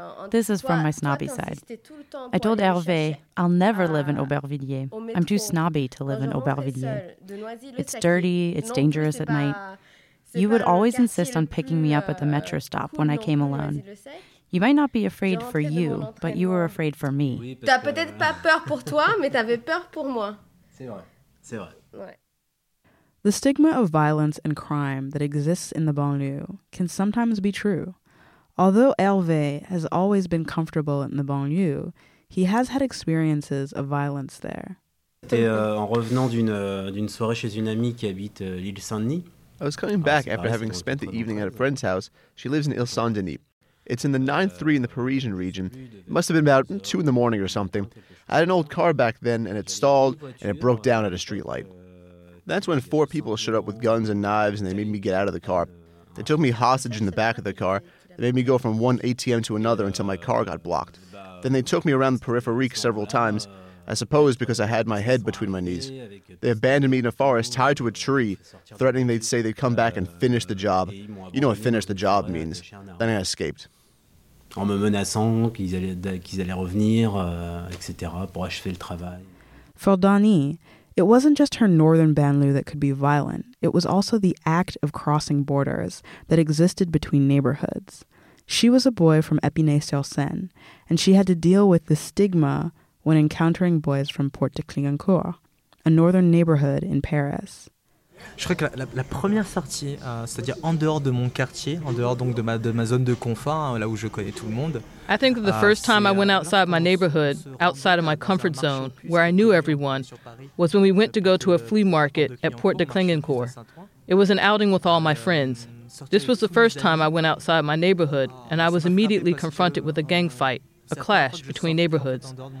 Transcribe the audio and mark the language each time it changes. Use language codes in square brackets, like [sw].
[en] This is from my snobby side. I told Hervé, I'll never live in Aubervilliers. I'm too snobby to live in Aubervilliers. It's dirty, it's dangerous at night. You would always insist on picking me up at the metro stop when I came alone. You might not be afraid for you, but you were afraid for me. [fr] T'as peut-être pas peur pour toi, mais t'avais peur pour moi. C'est vrai, c'est vrai. [en] The stigma of violence and crime that exists in the banlieue can sometimes be true. Although Hervé has always been comfortable in the banlieue, he has had experiences of violence there. I was coming back after having spent the evening at a friend's house. She lives in Île-Saint-Denis. It's in the 9-3 in the Parisian region. It must have been about 2 in the morning or something. I had an old car back then, and it stalled, and it broke down at a streetlight. That's when 4 people showed up with guns and knives, and they made me get out of the car. They took me hostage in the back of the car. They made me go from one ATM to another until my car got blocked. Then they took me around the periphérique several times, I suppose because I had my head between my knees. They abandoned me in a forest, tied to a tree, threatening they'd say they'd come back and finish the job. You know what finish the job means. Then I escaped. [fr] En me menaçant qu'ils allaient revenir, etc., pour achever le travail. [en] For Dani, it wasn't just her northern banlieue that could be violent. It was also the act of crossing borders that existed between neighborhoods. She was a boy from Épinay-sur-Seine, and she had to deal with the stigma when encountering boys from Port de Clignancourt, a northern neighborhood in Paris. [fr] Je crois que la première sortie, c'est-à-dire en dehors de mon quartier, en dehors donc de ma zone de confort, là où je connais tout le monde. [en] I think that the first time I went outside my neighborhood, outside of my comfort zone, where I knew everyone, was when we went to go to a flea market at Port de Clignancourt. It was an outing with all my friends. This was the first time I went outside my neighborhood, and I was immediately confronted with a gang fight, a clash between neighborhoods.